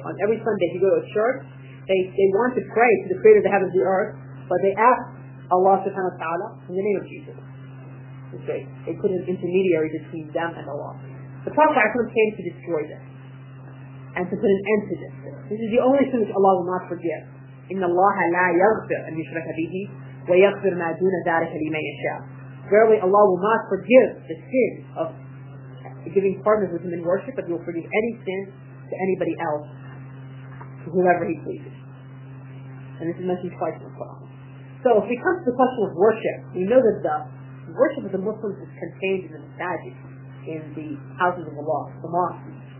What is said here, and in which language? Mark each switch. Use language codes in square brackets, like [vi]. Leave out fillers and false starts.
[en] On every Sunday, if you go to a church, they want to pray to the creator of the heavens and the earth, but they ask Allah subhanahu wa ta'ala in the name of Jesus. Okay. They put an intermediary between them and Allah. The Prophet came to destroy this, and to put an end to this. This is the only thing which Allah will not forgive. [ar] إن الله لا يغفر أن يشرك به ويغفر ما دون ذلك لمن يشاء. [en] Verily Allah will not forgive the sin of giving partners with him in worship, but he will forgive any sin to anybody else, to whoever he pleases. And this is mentioned twice in the Quran. So if we come to the question of worship, we know that the worship of the Muslims is contained in the masajid, in the houses of Allah, the mosques.